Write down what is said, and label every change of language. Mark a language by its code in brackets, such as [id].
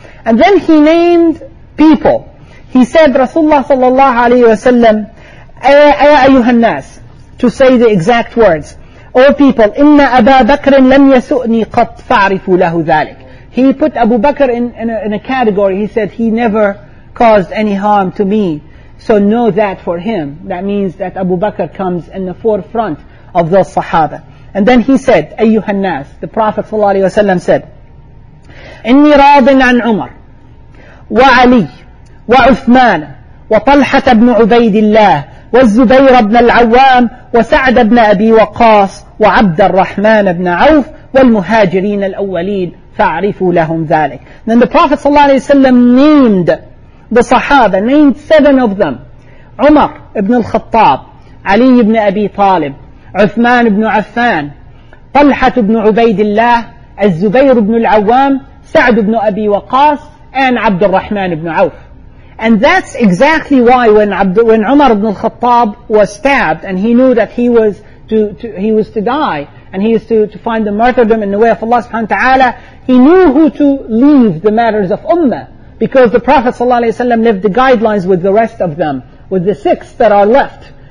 [en] And then he named people. He said, Rasulullah sallallahu alayhi wa sallam, [ar] أَيَا أَيُّهَا النَّاسِ, [en] to say the exact words, O people, [ar] إِنَّ أَبَا بَكْرٍ لَمْ يَسُؤْنِي قَطْ فَعْرِفُوا لَهُ ذَلِكَ. [en] He put Abu Bakr in a category. He said, he never caused any harm to me. So know that for him. That means that Abu Bakr comes in the forefront of those Sahaba. And then he said, [ar] أَيُّهَا النَّاسِ, [en] the Prophet sallallahu alayhi wa sallam said, [ar] إِنِّي رَاضٍ عَنْ عُمَرٍ وَعَلِيٍّ وَعُثْمَانَ وَطَلْحَةَ بْنُ عُبَيْدِ اللَّهِ والزبير بن العوام وسعد بن أبي وقاص وعبد الرحمن بن عوف والمهاجرين الأولين فاعرفوا لهم ذلك. [en] Then the Prophet صلى الله عليه وسلم named the Sahaba, named seven of them: عمر بن الخطاب, علي بن أبي طالب, عثمان بن عفان, طلحة بن عبيد الله, الزبير بن العوام, سعد بن أبي وقاص, and عبد الرحمن بن عوف. And that's exactly why when Umar ibn al-Khattab was stabbed and he knew that he was to die and he was to find the martyrdom in the way of Allah subhanahu wa ta'ala, he knew who to leave the matters of ummah, because the Prophet sallallahu alayhi wa sallam left the guidelines with the rest of them, with the six that are left.